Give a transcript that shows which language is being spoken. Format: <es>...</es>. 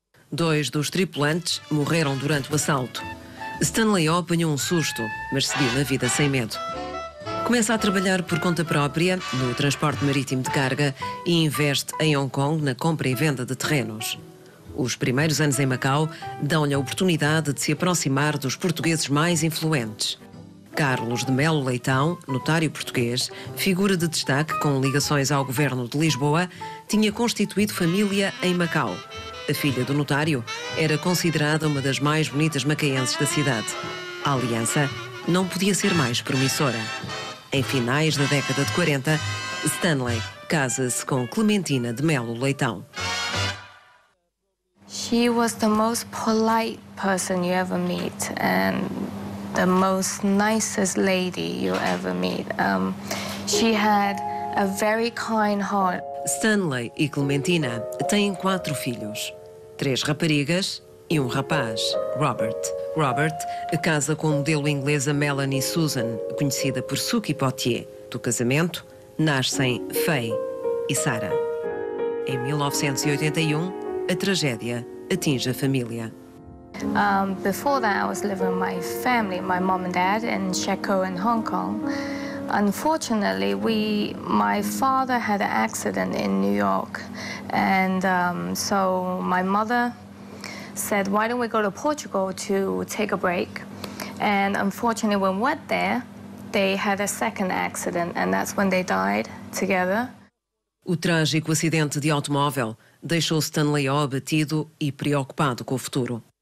<pt>Dois dos tripulantes morreram durante o assalto. Stanley Ho apanhou um susto, mas seguiu na vida sem medo. Começa a trabalhar por conta própria, no transporte marítimo de carga, e investe em Hong Kong na compra e venda de terrenos. Os primeiros anos em Macau dão-lhe a oportunidade de se aproximar dos portugueses mais influentes. Carlos de Melo Leitão, notário português, figura de destaque com ligações ao governo de Lisboa, tinha constituído família em Macau. A filha do notário era considerada uma das mais bonitas macaenses da cidade. A aliança não podia ser mais promissora. Em finais da década de 40, Stanley casa-se com Clementina de Melo Leitão.</pt> <en>She was the most polite person you ever meet and the most nicest lady you ever meet. She had a very kind heart.</en> <pt>Stanley e Clementina têm 4 filhos. 3 raparigas e um rapaz, Robert. Robert casa com a modelo inglesa Melanie Susan, conhecida por Suki Potier. Do casamento, nascem Faye e Sarah. Em 1981, a tragédia atinge a família.</pt> <en>Before that, I was living with my family, my mom and dad, in Shekou in Hong Kong. Unfortunately, my father had an accident in New York, and so my mother said, why don't we go to Portugal to take a break? And unfortunately, when we went there, they had a second accident, and that's when they died together.</en> <pt>O trágico acidente de automóvel deixou Stanley Ho abatido e preocupado com o futuro.</pt>